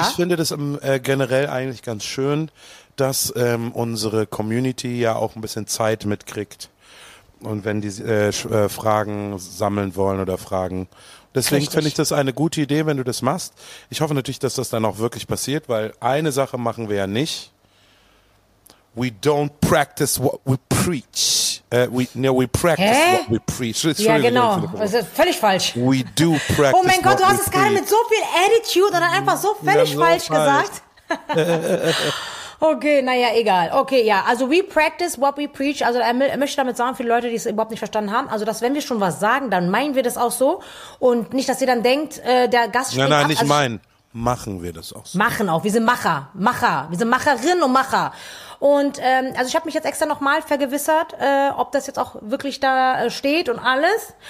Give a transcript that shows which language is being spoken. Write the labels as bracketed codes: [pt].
[de] Ich finde das generell eigentlich ganz schön, dass unsere Community ja auch ein bisschen Zeit mitkriegt. Und wenn die Fragen sammeln wollen oder Fragen. Deswegen finde ich das eine gute Idee, wenn du das machst. Ich hoffe natürlich, dass das dann auch wirklich passiert, weil eine Sache machen wir ja nicht. [en] We don't practice what we preach. We practice what we preach. [de] It's ja, really genau. Das ist völlig falsch. [en] We do practice what we preach. [de] Oh mein Gott, du hast es gerade mit so viel Attitude und dann einfach so völlig falsch gesagt. Okay, naja, egal. Okay, ja, also [en] we practice what we preach. [de] Also er möchte damit sagen, für Leute, die es überhaupt nicht verstanden haben, also dass wenn wir schon was sagen, dann meinen wir das auch so. Und nicht, dass ihr dann denkt, der Gast springt nein, ab. Nicht also, meinen. Machen wir das auch so. Machen auch. Wir sind Macher. Macher. Wir sind Macherinnen und Macher. Und also ich habe mich jetzt extra nochmal vergewissert, ob das jetzt auch wirklich da steht und alles.